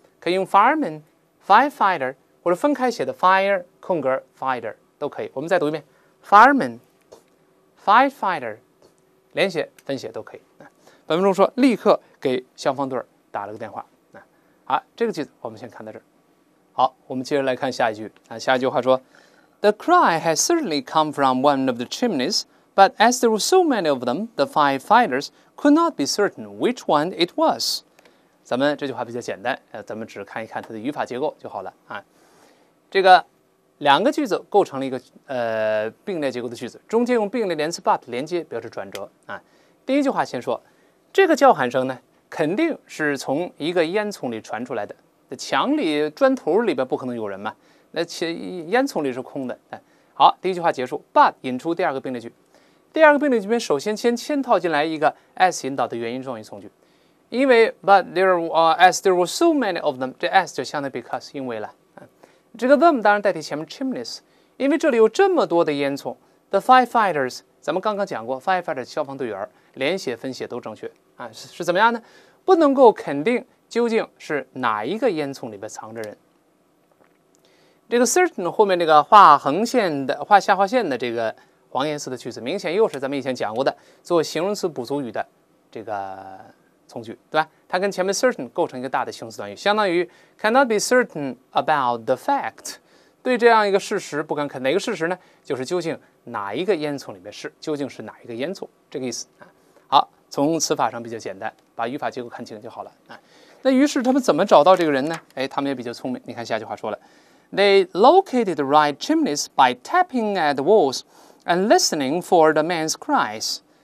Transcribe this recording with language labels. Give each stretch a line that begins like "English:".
Chinese: 可以用 Fireman， Firefighter， 或者分开写的 Fire 空格 Fighter 都可以。我们再读一遍 ，Fireman。Firefighter， 连写分写都可以。本文中说，立刻给消防队打了个电话。好，这个句子我们先看到这儿。好，我们接着来看下一句。下一句话说
English: ，The cry has certainly come from one of the chimneys, but as there were so many of them, the firefighters could not be certain which one it was。
Chinese: 咱们这句话比较简单，咱们只看一看它的语法结构就好了啊。这个。两个句子构成了一个并列结构的句子，中间用并列连词 but 连接表示转折啊。第一句话先说，这个叫喊声呢，肯定是从一个烟囱里传出来的。那墙里砖头里边不可能有人嘛，那烟囱里是空的。好，第一句话结束 ，but 引出第二个并列句。第二个并列句里面首先先套进来一个 as 引导的原因状语从句。因为
English: but there were, as there were so many of them, 这 as
Chinese: 就相当于
English: because,
Chinese: 因为了。这个 them 当然代替前面 chimneys, 因为这里有这么多的烟囱。
English: The firefighters,
Chinese: 咱们刚刚讲过 firefighters 消防队员连写分写都正确。啊、是怎么样呢？不能够肯定究竟是哪一个烟囱里面藏着人。这个 certain 后面这个画横线的画下划线的这个黄颜色的句子，明显又是咱们以前讲过的做形容词补足语的这个从句，对吧？它跟前面 certain 构成一个大的形容词短语，相当于
English: cannot be certain about the fact，
Chinese: 对这样一个事实不敢肯定。哪个事实呢？就是究竟哪一个烟囱里面是，究竟是哪一个烟囱，这个意思。好，从词法上比较简单，把语法结构看清就好了。那于是他们怎么找到这个人呢？哎，他们也比较聪明，你看下句话说了，
English: They located the right chimneys by tapping at the walls and listening for the man's cries.